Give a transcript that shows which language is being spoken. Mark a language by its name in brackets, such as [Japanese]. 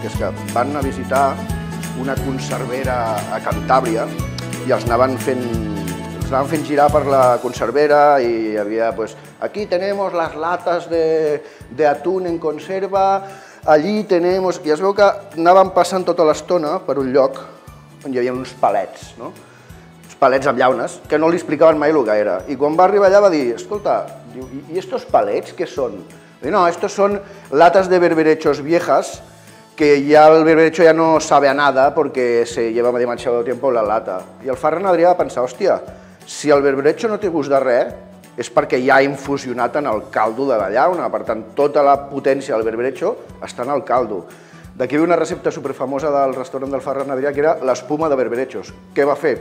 [Catalan] Que és que van anar a visitar una conservera a Cantàbria i els anaven fent girar per la conservera i hi havia, pues, [Spanish] aquí tenemos las latas de atún en conserva, allí tenemos... [Catalan] I es veu que anaven passant tota l'estona per un lloc on hi havia uns palets, no? Uns palets amb llaunes, que no li explicaven mai el que era. I quan va arribar allà va dir, escolta, [Spanish] ¿y estos palets qué son? I no, estos son latas de berberechos viejas, que ja el berberecho ja no sabe a nada porque se lleva demasiado tiempo la lata. [Catalan] I el Ferran Adrià va pensar, hòstia, si el berberecho no té gust de res, és perquè ja ha infusionat en el caldo de la llauna. Per tant, tota la potència del berberecho està en el caldo. D'aquí ve una recepta superfamosa del restaurant del Ferran Adrià, que era l'espuma de berberechos. Què va fer?